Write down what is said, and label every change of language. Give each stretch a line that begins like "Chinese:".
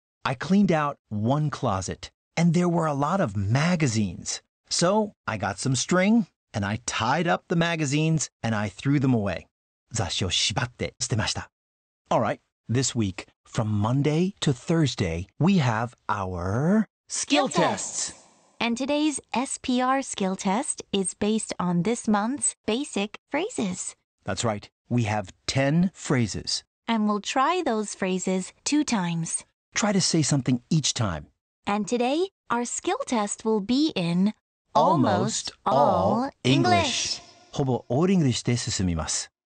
English: I cleaned out one closet, and there were a lot of magazines. So I got some string, and I tied up the magazines, and I threw them away.
Japanese: 雑誌を縛って捨てました。
English: All right, this week, from Monday to Thursday, we have our... Skill tests! And today's SPR skill test is based on this month's basic phrases. That's right, we have 10 phrases. And we'll try those phrases two times. Try to say something each time. And today, our skill test will be in almost all English.
Japanese: ほぼオールイングリッシュで進みます。